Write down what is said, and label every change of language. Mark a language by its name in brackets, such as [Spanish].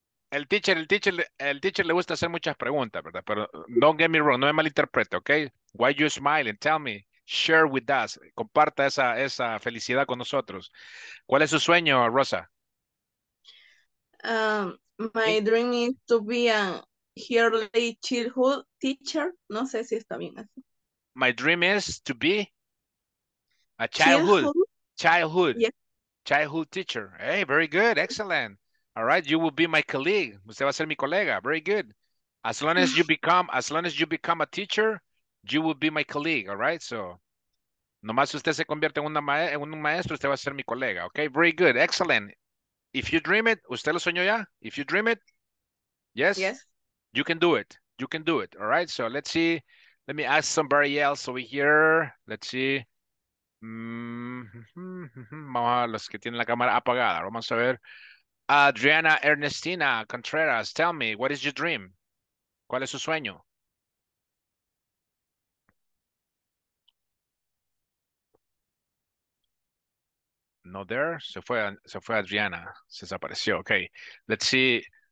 [Spanish] El teacher le gusta hacer muchas preguntas, ¿verdad? [English] Pero don't get me wrong, [Spanish] no me malinterprete, [English] okay? Why you smiling? Tell me. Share with us. [Spanish] Comparta esa felicidad con nosotros. ¿Cuál es su sueño, Rosa? [English] My dream is to be a early childhood teacher. [Spanish] No sé si está bien así. [English] My dream is to be a childhood. Childhood. Yes. Childhood teacher. Hey, very good. Excellent. All right. You will be my colleague. [Spanish] Usted va a ser mi colega. [English] Very good. As long as you become a teacher, you will be my colleague. All right. So, [Spanish] nomás usted se convierte en un maestro, usted va a ser mi colega. [English] Okay. Very good. Excellent. If you dream it, [Spanish] ¿usted lo soñó ya? [English] If you dream it, yes? Yes. You can do it. You can do it. All right. So, let's see. Let me ask somebody else over here. Let's see. [Spanish] Vamos a los que tienen la cámara apagada. Vamos a ver. [English] Adriana Ernestina Contreras, tell me, what is your dream? [Spanish] ¿Cuál es su sueño? [English] No there. [Spanish] Se fue Adriana. Se desapareció. [English] Okay. Let's see.